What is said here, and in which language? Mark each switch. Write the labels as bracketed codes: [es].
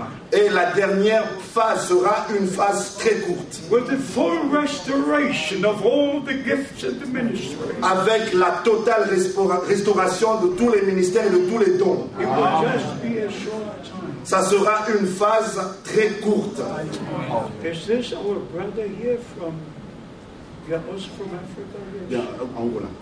[fr] Et la dernière phase sera une phase très courte. [en] With the full restoration of all the gifts and the ministry. [fr] Avec la totale restauration de tous les ministères et de tous les dons. [en] It will just be a short time. [fr] Ça sera une phase très courte. [en] Is this our brother here from? Yeah, also from Africa. Yes. Yeah, Angola.